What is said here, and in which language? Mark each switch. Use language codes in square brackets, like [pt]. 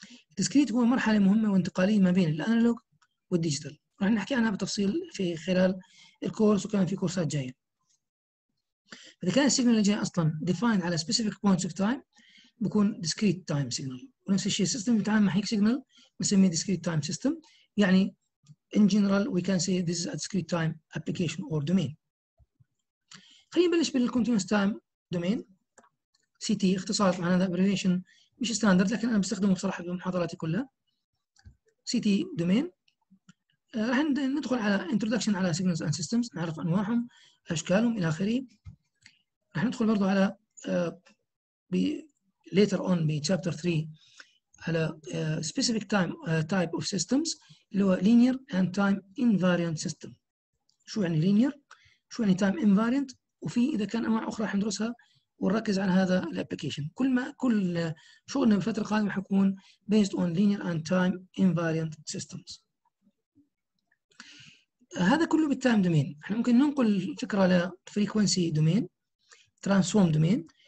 [ar] الديسكريت هو مرحلة مهمة وانتقالية ما بين الانالوج والديجيتال، راح نحكي عنها بتفصيل في خلال الكورس وكمان في كورسات جاية. إذا كان السيجنال جاي أصلاً ديفايند على [en] specific points of time [ar] بكون discrete time signal، ونفس الشيء system بتعامل مع هيك signal نسميه discrete time system. [en] يعني in general we can say this is a discrete time application or domain. [ar] خلينا نبلش بالcontinuous time domain CT اختصار، طبعاً هذا abbreviation مش standard لكن أنا بستخدمه بصراحة بمحاضراتي كلها. CT domain راح ندخل على introduction على signals and systems، نعرف أنواعهم أشكالهم إلى آخره. راح ندخل برضو على later on ب chapter 3 على specific time type of systems اللي هو [en] linear and time invariant system. [ar] شو يعني linear؟ شو يعني time invariant؟ وفي إذا كان أنواع أخرى حندرسها ونركز على هذا الابليكيشن. كل ما كل شغلنا بالفترة القادمة حيكون [en] based on linear and time invariant systems. [ar] هذا كله بالتايم دومين. احنا ممكن ننقل الفكره لفريكوانسي دومين، ترانسفورم دومين.